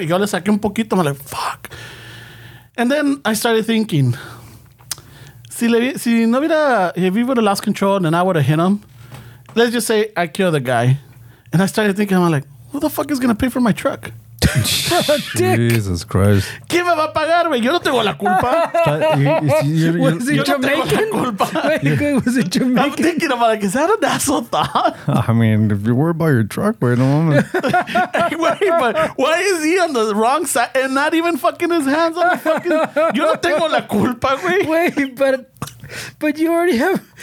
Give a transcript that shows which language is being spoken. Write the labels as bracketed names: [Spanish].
[Spanish] Y yo le saqué un poquito. [English] I'm like, fuck. And then I started thinking, if he would have lost control and I would have hit him, let's just say I killed the guy. And I started thinking, I'm like, who the fuck is going to pay for my truck? Jesus Christ. [Spanish] ¿Quién me va a pagar, güey? Yo no tengo la culpa. [English] Was it Jamaican? Was it Jamaican? I'm thinking about like, is that a Nassau thought? I mean, if you worry about your truck, wait a moment. Wait, but why is he on the wrong side and not even fucking his hands on the fucking... [Spanish] Yo no tengo la culpa, güey. [English] Wait, but you already have...